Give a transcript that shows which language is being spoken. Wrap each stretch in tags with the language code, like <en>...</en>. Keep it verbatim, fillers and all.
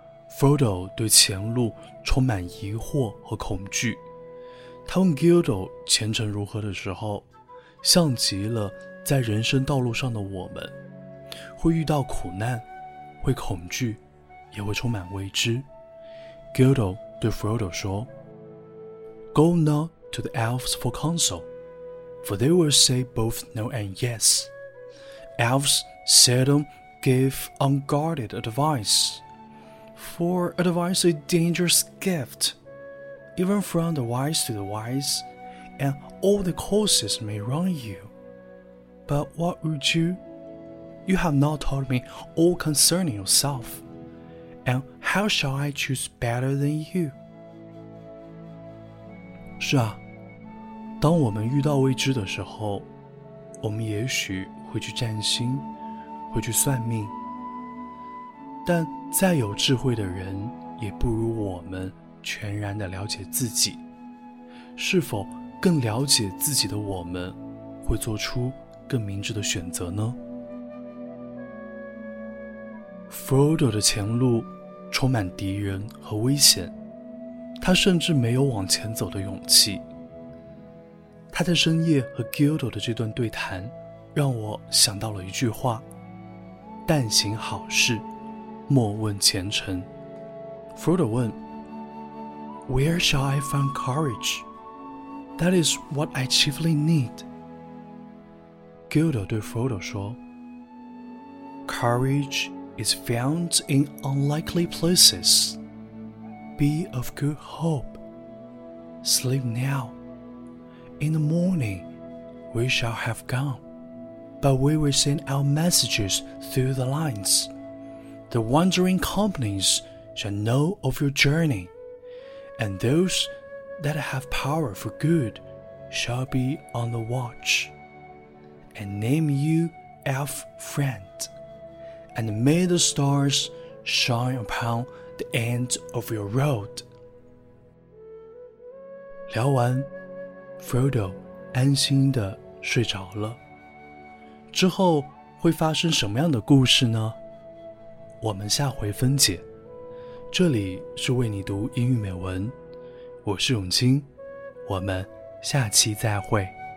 <zh>Frodo 对前路充满疑惑和恐惧。他问 Gildo 前程如何的时候，像极了在人生道路上的我们，会遇到苦难，会恐惧，也会充满未知。</zh> <en>Gildo</en> <zh>对 Frodo 说</zh> <en>，Go not to the elves for counsel, for they will say both no and yes. Elves seldom give unguarded advice, for advice is a dangerous gift, even from the wise to the wise, and all the courses may wrong you. But what would you? You have not told me all concerning yourself, and how shall I choose better than you?</en> <zh>是啊，当我们遇到未知的时候，我们也许会去占星，会去算命，但再有智慧的人也不如我们全然地了解自己。是否更了解自己的我们，会做出更明智的选择呢？ Frodo 的前路充满敌人和危险，他甚至没有往前走的勇气。他在深夜和 Gildo 的这段对谈，让我想到了一句话：但行好事，莫问前程。 Frodo 问</zh> <en>Where shall I find courage? That is what I chiefly need.</en> <zh>Gildo 对 Frodo 说</zh> <en>Courage is found in unlikely places. Be of good hope. Sleep now. In the morning, we shall have gone, but we will send our messages through the lines. The wandering companies shall know of your journey, and those that have power for good shall be on the watch, and name you elf friend, and may the stars shine upon the end of your road.</en> <zh>聊完Frodo 安心地睡着了。之后会发生什么样的故事呢？我们下回分解。这里是为你读英语美文，我是永清，我们下期再会。</zh>